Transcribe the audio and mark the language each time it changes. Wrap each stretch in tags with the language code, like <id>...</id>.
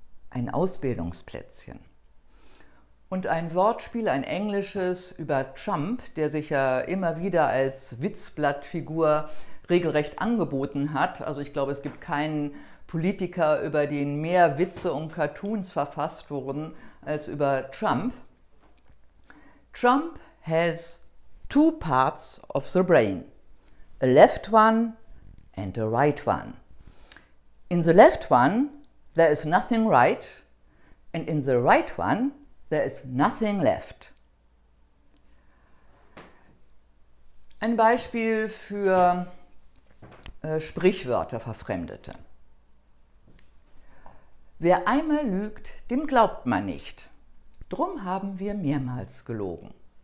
<de>Ein Ausbildungsplätzchen. Und ein Wortspiel, ein englisches, über Trump, der sich ja immer wieder als Witzblattfigur regelrecht angeboten hat. Also ich glaube, es gibt keinen Politiker, über den mehr Witze und Cartoons verfasst wurden, als über Trump.</de> <en>Trump has two parts of the brain. A left one and the right one. In the left one, there is nothing right, and in the right one, there is nothing left.</en> <de>Ein Beispiel für Sprichwörterverfremdete. Wer einmal lügt, dem glaubt man nicht. Drum haben wir mehrmals gelogen.</de>